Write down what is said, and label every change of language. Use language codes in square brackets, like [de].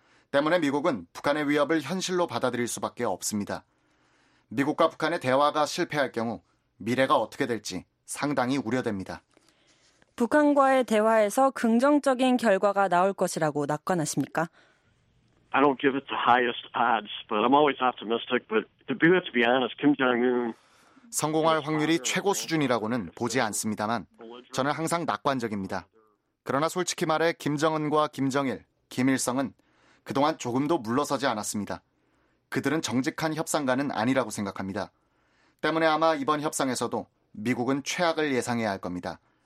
[ko] 때문에 미국은 북한의 위협을 현실로 받아들일 수밖에 없습니다. 미국과 북한의 대화가 실패할 경우 미래가 어떻게 될지 상당히 우려됩니다. 북한과의 대화에서 긍정적인 결과가 나올 것이라고 낙관하십니까? [en] I don't give it the highest odds, but I'm always optimistic. But to be honest, Kim Jong-un [ko] 성공할 확률이 최고 수준이라고는 보지 않습니다만 저는 항상 낙관적입니다. 그러나 솔직히 말해 김정은과 김정일, 김일성은 그동안 조금도 물러서지 않았습니다. 그들은 정직한 협상가는 아니라고 생각합니다. 때문에 아마 이번 협상에서도 미국은 최악을 예상해야 할 겁니다.